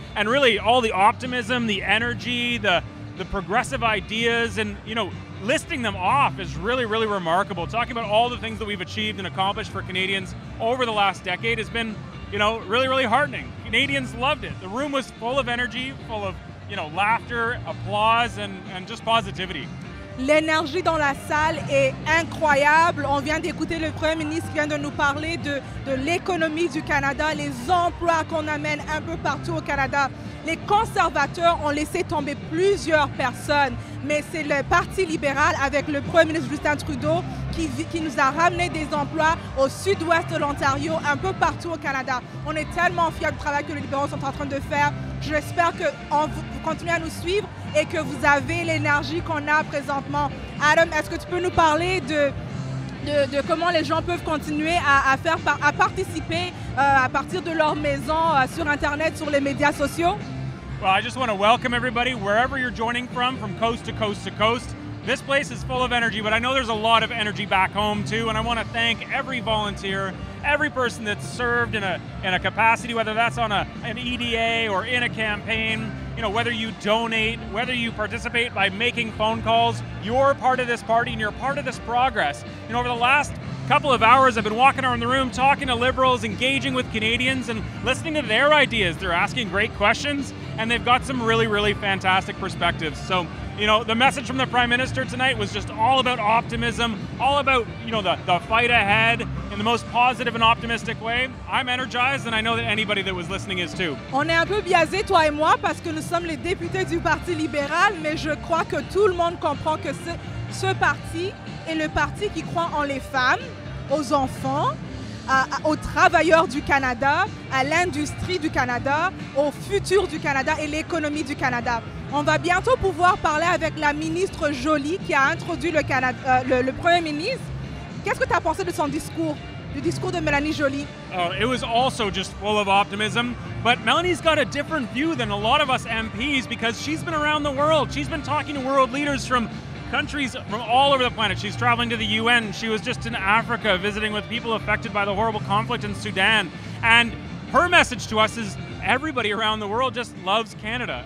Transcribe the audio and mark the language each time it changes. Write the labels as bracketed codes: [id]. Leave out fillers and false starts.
[en] And really all the optimism, the energy, the progressive ideas, and you know, listing them off is really, really remarkable. Talking about all the things that we've achieved and accomplished for Canadians over the last decade has been, you know, really, really heartening. Canadians loved it. The room was full of energy, full of, you know, laughter, applause, and just positivity. [fr] L'énergie dans la salle est incroyable. On vient d'écouter le Premier ministre qui vient de nous parler de l'économie du Canada, les emplois qu'on amène un peu partout au Canada. Les conservateurs ont laissé tomber plusieurs personnes, mais c'est le Parti libéral avec le Premier ministre Justin Trudeau qui nous a ramené des emplois au sud-ouest de l'Ontario, un peu partout au Canada. On est tellement fiers du travail que les libéraux sont en train de faire. J'espère que vous continuez à nous suivre et que vous avez l'énergie qu'on a présentement. Adam, est-ce que tu peux nous parler de comment les gens peuvent continuer à participer à partir de leur maison sur Internet, sur les médias sociaux? [en] Well, I just want to welcome everybody wherever you're joining from coast to coast to coast. This place is full of energy, but I know there's a lot of energy back home too, and I want to thank every volunteer, every person that's served in a capacity, whether that's on an EDA or in a campaign, you know, whether you donate, whether you participate by making phone calls, you're part of this party and you're part of this progress. You know, over the last couple of hours, I've been walking around the room, talking to Liberals, engaging with Canadians, and listening to their ideas. They're asking great questions, and they've got some really, really fantastic perspectives. So, you know, the message from the Prime Minister tonight was just all about optimism, all about, you know, the fight ahead in the most positive and optimistic way. I'm energized, and I know that anybody that was listening is too. [fr] On est un peu biaisé, toi et moi, parce que nous sommes les députés du Parti libéral, mais je crois que tout le monde comprend que ce parti est le parti qui croit en les femmes, aux enfants, aux travailleurs du Canada, à l'industrie du Canada, au futur du Canada et l'économie du Canada. On va bientôt pouvoir parler avec la ministre Joly qui a introduit le premier ministre. Qu'est-ce que tu as pensé de son discours, du discours de Mélanie Joly? [en] Oh, it was also just full of optimism. But Melanie's got a different view than a lot of us MPs because she's been around the world. She's been talking to world leaders from countries from all over the planet. She's traveling to the UN. She was just in Africa visiting with people affected by the horrible conflict in Sudan. And her message to us is, everybody around the world just loves Canada.